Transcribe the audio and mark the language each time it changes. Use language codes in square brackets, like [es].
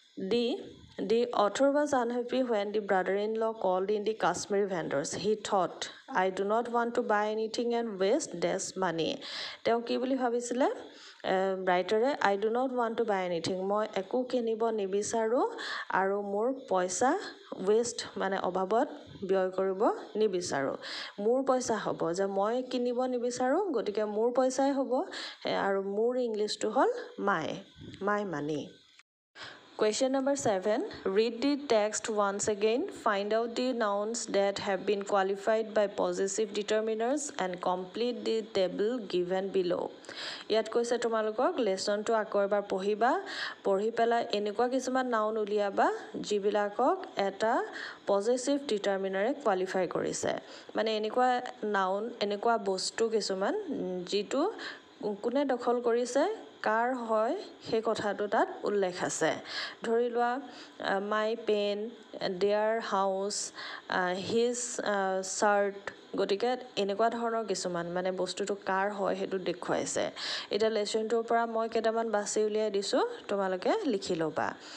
[as] The the author was unhappy when the brother in law cold in the Kashmiri vendors, he thought I do not want to by anything and west dash মানি, তেওঁ কি বুলি ভাবিছিলে ৰাইটাৰে, আই do not want to by anything, মই একো কিনিব নিবিচাৰোঁ আৰু মোৰ পইচা ৱেষ্ট মানে অভাৱত ব্যয় কৰিব নিবিচাৰোঁ, মোৰ পইচা হ'ব, যে মই কিনিব নিবিচাৰোঁ, গতিকে মোৰ পইচাই হ'ব, আৰু মোৰ ইংলিছটো হ'ল মাই, মাই মানি। [en] Question number 7. Read the text once again. Find out the nouns that have been qualified by possessive determiners and complete the table given below. [as] Yat koise tomalokok lesson to akor bar pohiba, porhi pela enekua kisuman noun uliaba jibilakok eta possessive determiner qualify korise. Mane enekua noun, enekua bostu kisuman jitu kune dokhol korise, কাৰ হয় সেই কথাটো তাত উল্লেখ আছে। ধৰি লোৱা my pen, there house, his shirt, গতিকে এনেকুৱা ধৰণৰ কিছুমান মানে বস্তুটো কাৰ হয় সেইটো দেখুৱাইছে। এতিয়া লেচনটোৰ পৰা মই কেইটামান বাছি উলিয়াই দিছোঁ, তোমালোকে লিখি ল'বা।